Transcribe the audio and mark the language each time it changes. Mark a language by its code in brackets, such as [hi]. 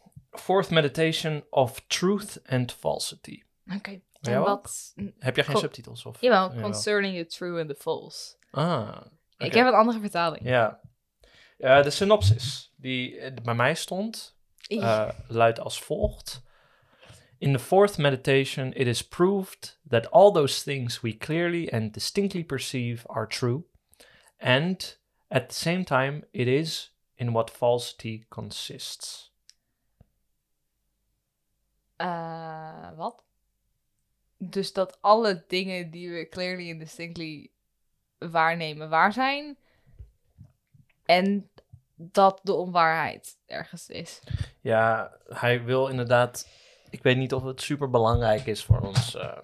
[en] Fourth Meditation of Truth and Falsity. [nl] Oké, en wat... Heb jij geen subtitels? Of... Jawel, [en] Concerning the True and the False. Ah, okay. [nl] Ik heb een andere vertaling. Ja, de synopsis die bij mij stond luidt als volgt. [en] In the fourth meditation it is proved that all those things we clearly and distinctly perceive are true and... At the same time, it is in what falsity consists. [nl] Wat? Dus dat alle dingen die we [en] clearly and distinctly [nl] waarnemen waar zijn. En dat de onwaarheid ergens is. Ja, hij wil inderdaad... Ik weet niet of het super belangrijk is voor ons.